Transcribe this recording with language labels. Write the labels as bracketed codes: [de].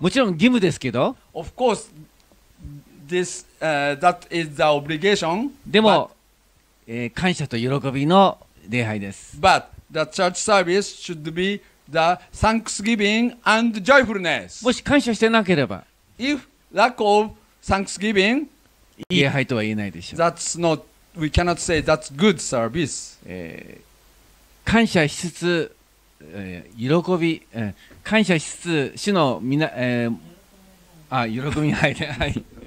[ja] もちろん義務ですけど。 [en] Of course, this that is the obligation. [ja] でも感謝と喜びの礼拝です。 [en] But the church service should be the thanksgiving and joyfulness. [ja] もし感謝してなければ。 [en] If lack of thanksgiving, [ja] 礼拝とは言えないでしょう。 [en] That's not, we cannot say that's good service. [ja] 感謝しつつ、喜び、感謝しつつ、主のみな、喜びに入れ、はい。